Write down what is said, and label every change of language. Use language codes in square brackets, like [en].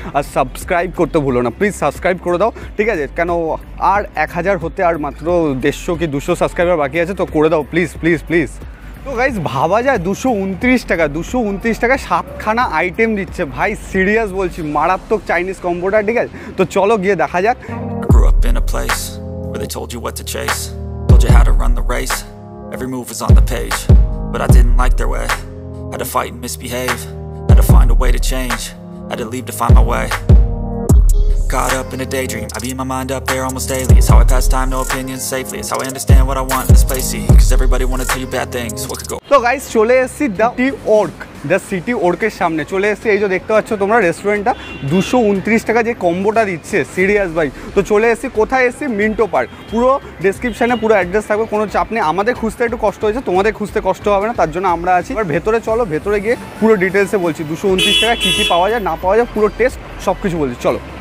[bn] আর subscribe করতে ভুলো না, প্লিজ সাবস্ক্রাইব করে দাও, ঠিক আছে। কেন আর 1000 হতে আর মাত্র 150 কি 200 সাবস্ক্রাইবার বাকি আছে, তো করে দাও প্লিজ প্লিজ প্লিজ। তো গাইস ভাবা যায় 229 টাকা 7খানা আইটেম দিচ্ছে, ভাই সিরিয়াস বলছি, মারাত্মক চাইনিজ কম্বোটা, ঠিক আছে। তো চলো গিয়ে দেখা যাক। [en] Grew up in a place where they told you what to chase, told you how to run the race, every move was on the page, but I didn't like their way, had to fight and misbehave, had to find a way to change, had to leave to find my way. Caught up in a daydream, I beat my mind up there almost daily. It's how I pass time, no opinions safely. It's how I understand what I want in this place. Cause everybody wanna tell you bad things. What could go? So guys, [bn] chole eshi the city orc-er সামনে চলে এসেছি। এই যে দেখতে পাচ্ছ তোমরা রেস্টুরেন্টটা, 229 টাকা যে কম্বোটা দিচ্ছে, সিরিয়াস ভাই। তো চলে এসেছি, কোথায় এসেছি, মিন্টো পার্ক। পুরো ডেসক্রিপশানে পুরো অ্যাড্রেস থাকবে, কোনো চাপ নেই। আমাদের খুঁজতে একটু কষ্ট হয়েছে, তোমাদের খুঁজতে কষ্ট হবে না, তার জন্য আমরা আছি। এবার ভেতরে চলো, ভেতরে গিয়ে পুরো ডিটেলসে বলছি, 229 টাকা কী কী পাওয়া যায় না পাওয়া যায় পুরো টেস্ট সব কিছু বলছি, চলো।